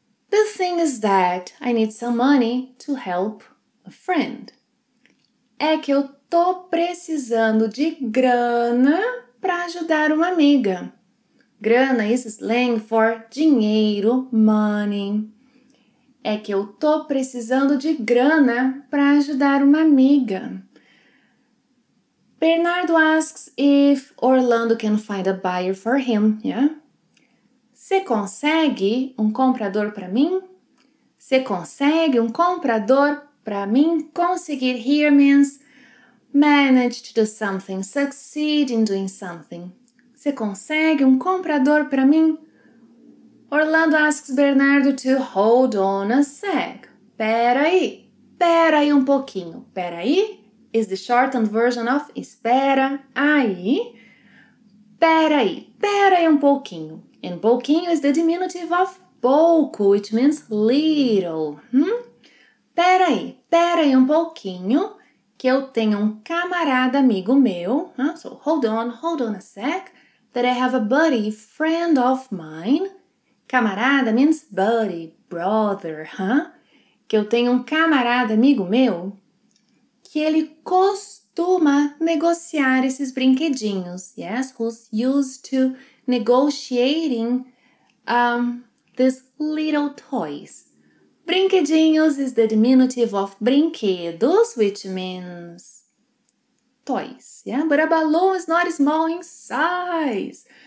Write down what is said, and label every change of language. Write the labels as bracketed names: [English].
[English] The thing is that I need some money to help a friend. [Portuguese] É que eu tô precisando de grana para ajudar uma amiga. [English] Grana is slang for dinheiro, money. [Portuguese] É que eu tô precisando de grana para ajudar uma amiga. [English] Bernardo asks if Orlando can find a buyer for him, yeah? [Portuguese] Você consegue um comprador para mim? Você consegue um comprador para mim? [English] Conseguir here means manage to do something, succeed in doing something. [Portuguese] Você consegue um comprador para mim? [English] Orlando asks Bernardo to hold on a sec. [Portuguese] Peraí, peraí um pouquinho. [English] Peraí is the shortened version of espera aí. [Portuguese] Peraí, peraí um pouquinho. [English] And pouquinho is the diminutive of pouco, which means little. [Portuguese] Peraí, peraí um pouquinho, que eu tenho um camarada amigo meu. [English] So hold on a sec, that I have a buddy, friend of mine. Camarada means buddy, brother, huh? [Portuguese] Que eu tenho um camarada amigo meu que ele costuma negociar esses brinquedinhos. [English] Yes, who's used to negotiating these little toys. Brinquedinhos is the diminutive of brinquedos, which means toys. Yeah, but a balloon is not small in size.